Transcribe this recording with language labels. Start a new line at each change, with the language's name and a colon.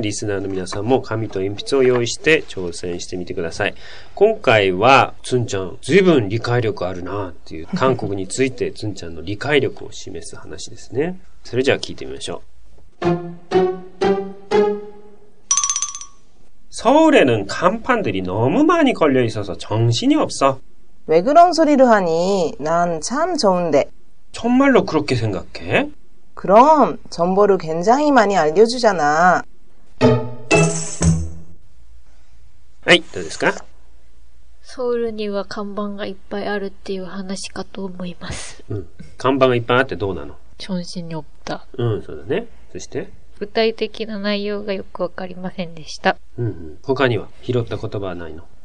Japanese: リスナーの皆さんも紙と鉛筆を用意して挑戦してみてください。今回は、つんちゃん、随分理解力あるなっていう、韓国についてつんちゃんの理解力を示す話ですね。それじゃあ聞いてみましょう。
Korean: 서울에는간판들이너무많이걸려있어서정신이없어 왜그런소리를하니난참좋은데 정말로그렇게생각해 그럼정보를굉장히많이알려주잖아
Japanese: はい、どうですか。 서울には看板がいっぱいあるっていう話かと思います。うん、看板がいっぱいあってどうなの。
Korean: 정신이없다。
Japanese: うん、そうだね。そして具体的な内容がよくわかりませんでした。うん、他には拾った言葉はないの。